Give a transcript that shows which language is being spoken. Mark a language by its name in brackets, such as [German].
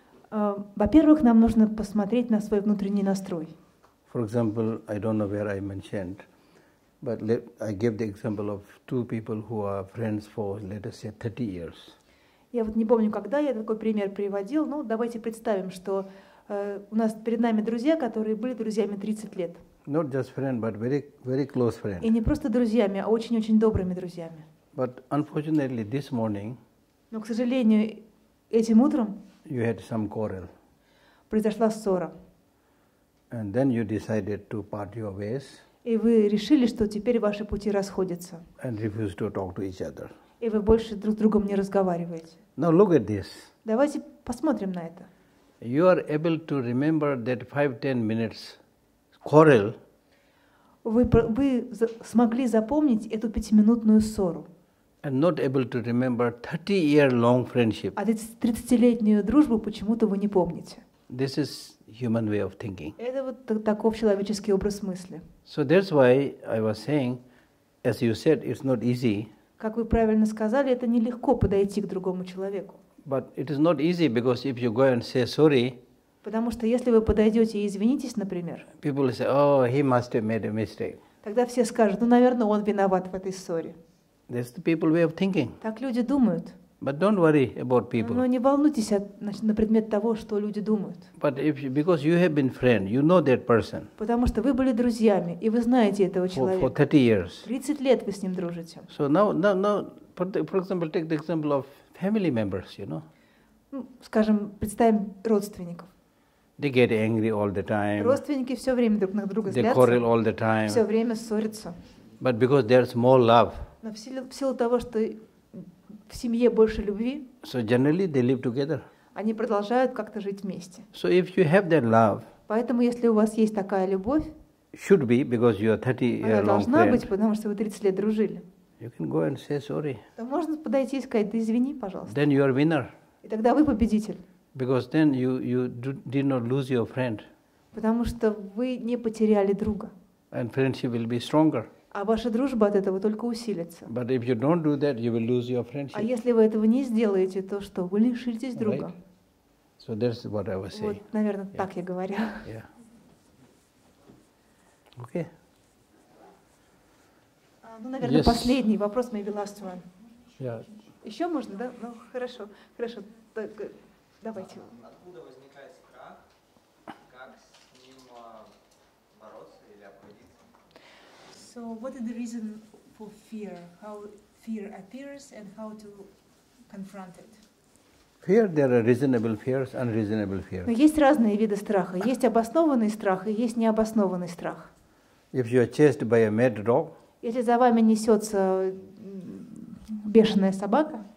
[Russian] Во-первых, нам нужно посмотреть на свой внутренний настрой. [English] For example, I don't know where I mentioned, but I gave the example of two people who are friends for, let us say, 30 years. [Russian] Я вот не помню, когда я такой пример приводил, но давайте представим, что у нас перед нами друзья, которые были друзьями 30 лет. [English] Not just friend, but very, very close friend. [Russian] И не просто друзьями, а очень-очень добрыми друзьями. [English] But unfortunately, this morning. [Russian] Но, к сожалению, этим утром. [English] You had some quarrel. [Russian] Произошла ссора. [English] And then you decided to part your ways. [Russian] И вы решили, что теперь ваши пути расходятся. [English] And refused to talk to each other. [Russian] И вы больше друг с другом не разговариваете. [English] Now look at this. [Russian] Давайте посмотрим на это. [English] You are able to remember that 5-10 minutes quarrel. [Russian] Вы смогли запомнить эту пятиминутную ссору. [English] And not able to remember 30-year-long friendship. [Russian] А 30-летнюю дружбу почему-то вы не помните. [English] This is human way of thinking. [Russian] Это вот таков человеческий образ мысли. [English] So that's why I was saying, as you said, it's not easy. [Russian] Как вы правильно сказали, это нелегко подойти к другому человеку. [English] But it is not easy because if you go and say sorry. [Russian] Потому что если вы подойдете и извинитесь, например. [English] People say, oh, he must have made a mistake. [Russian] Тогда все скажут, ну, наверное, он виноват в этой ссоре. [English] That's the people's way of thinking. [Russian] Так люди думают. [English] But don't worry about people. [Russian] Но не волнуйтесь на предмет того, что люди думают. [English] But if you, because you have been friend, you know that person. [Russian] Потому что вы были друзьями и вы знаете этого человека. [English] For 30 years. [Russian] 30 лет вы с ним дружите. [English] So now, for example, take the example of family members, you know. [Russian] Ну, скажем, представим родственников. [English] They get angry all the time. [Russian] Родственники все время друг на друга злятся. [English] They quarrel all the time. [Russian] Все время ссорятся. [English] But because there's more love. [Russian] Но в силу того, что в семье больше любви, [English] so generally they live together. [Russian] Они продолжают как-то жить вместе. [English] So if you have that love, [Russian] поэтому если у вас есть такая любовь, [English] should be, because you are 30-year-long [Russian] она должна [English] friend, [Russian] быть, потому что вы 30 лет дружили, [English] you can go and say sorry. [Russian] То можно подойти и сказать, да извини, пожалуйста. [English] Then you are winner. [Russian] И тогда вы победитель. [English] Because then you did not lose your friend. [Russian] Потому что вы не потеряли друга. [English] And friendship will be stronger. [Russian] А ваша дружба от этого только усилится. [English] But if you don't do that, you will lose your friendship. [Russian] А если вы этого не сделаете, то что? Вы лишитесь друга. [English] Right? So that's what I was saying. [Russian] Вот, наверное, [English] yeah. [Russian] Так я говорю. [English] Yeah. Okay. [Russian] Ну, наверное, [English] yes. [Russian] Последний вопрос, [English] maybe last one. Yeah. [Russian] Еще можно, да? Ну, хорошо, хорошо. Так, давайте. Откуда возникает страх? Как с ним бороться или обходиться? [English] So, what is the reason for fear? How fear appears and how to confront it? Fear, there are reasonable fears, unreasonable fears. [Russian] Но есть разные виды страха. Есть обоснованный страх и есть необоснованный страх. [English] If you are chased by a mad dog, [Russian] если за вами несется бешеная собака,